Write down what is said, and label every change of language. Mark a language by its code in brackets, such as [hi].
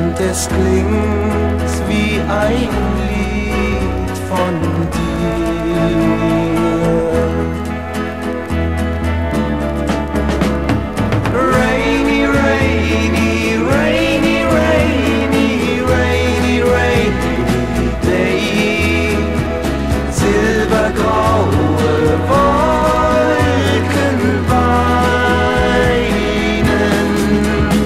[de] Es klingt wie ein Lied von dir. [en] Rainy, rainy, rainy, rainy, rainy, rainy day. [de] Silbergraue Wolken weinen.